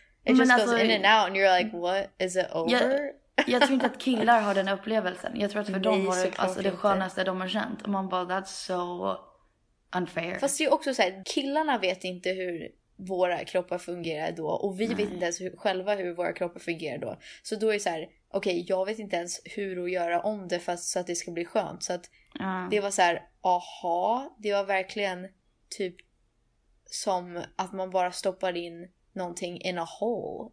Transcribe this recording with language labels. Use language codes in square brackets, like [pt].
[en] It men just alltså, goes in and out and you're like, what? Is it over? [sv] Jag tror inte att killar har den upplevelsen. Jag tror att för dem har det, alltså, det skönaste de har känt. Och man bara, [en] that's so unfair. [sv] Fast det är också såhär, killarna vet inte hur våra kroppar fungerar då. Och vi vet inte ens själva hur våra kroppar fungerar då. Så då är det så här, okej, jag vet inte ens hur att göra om det fast så att det ska bli skönt. Så att Det var så här, aha, det var verkligen typ som att man bara stoppar in någonting [en] in a hole.